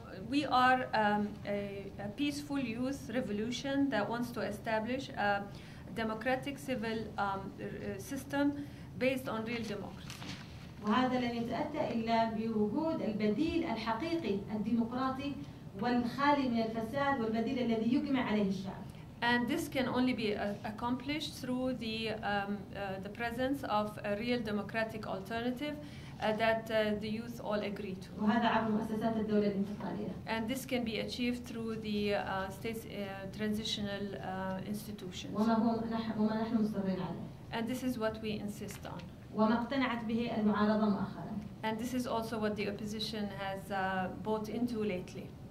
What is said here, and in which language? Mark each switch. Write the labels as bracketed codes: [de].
[en] We are a peaceful youth revolution that wants to establish a democratic civil system based on real democracy. [ar] وهذا لن يتأتي إلا بوجود البديل الحقيقي الديمقراطي والخالي من الفساد والبديل الذي يجمع عليه الشعب. [en] And this can only be accomplished through the presence of a real democratic alternative that the youth all agree to. [ar] وهذا عبر مؤسسات الدولة الانتقالية. [en] And this can be achieved through the state's transitional institutions. [ar] وما نحن مصرين عليه. [en] And this is what we insist on. [ar] وما اقتنعت به المعارضة مؤخرا. [en] And this is also what the opposition has bought into lately.